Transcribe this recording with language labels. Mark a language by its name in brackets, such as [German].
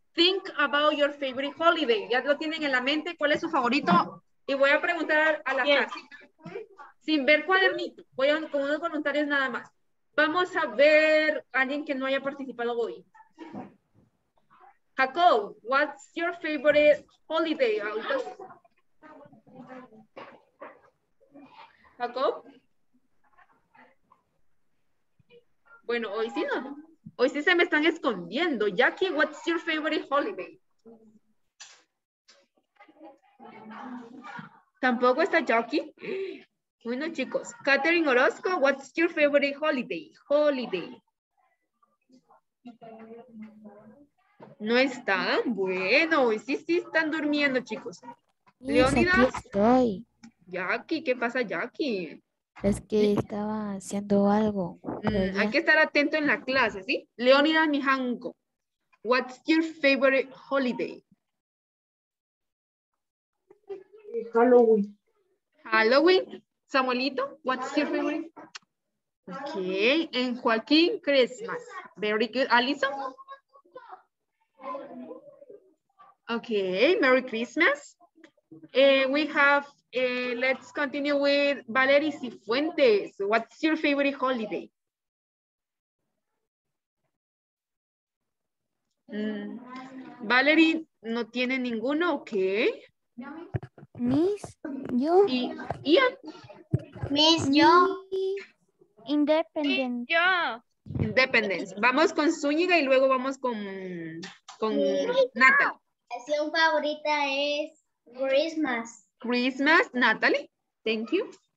[English] Think about your favorite holiday. [Spanish] ¿Ya lo tienen en la mente? ¿Cuál es su favorito? Y voy a preguntar a la casa. Sin ver cuadernito. Voy a con unos voluntarios nada más. Vamos a ver a alguien que no haya participado hoy. [English] Jacob, what's your favorite holiday? Jacob? [Spanish] Bueno, hoy sí no. Hoy sí se me están escondiendo. [English] Jackie, what's your favorite holiday? [Spanish] Tampoco está Jackie. Bueno, chicos. Katherine Orozco, [English] what's your favorite holiday? Holiday. [Spanish] No están. Bueno, hoy sí, sí están durmiendo, chicos. Leonidas. Estoy. Jackie, ¿qué pasa, Jackie? Es que estaba haciendo algo. Hay que estar atento en la clase, ¿sí? [English] Leonida Mijanco, what's your favorite holiday? Halloween. Halloween. Samuelito, what's your favorite? Okay. En Joaquín, Christmas. Very good. Alison. Okay. Merry Christmas. We have. Let's continue with Valerie Cifuentes. What's your favorite holiday? [Spanish] Valerie no tiene ninguno, ok. Miss, yo. Y Ian. Miss, yo. [English] Independence. [Spanish] Yo. [English] Independence. [Spanish] Vamos con Zúñiga y luego vamos con Nata. La canción favorita es Christmas. [English] Christmas, Natalie, thank you.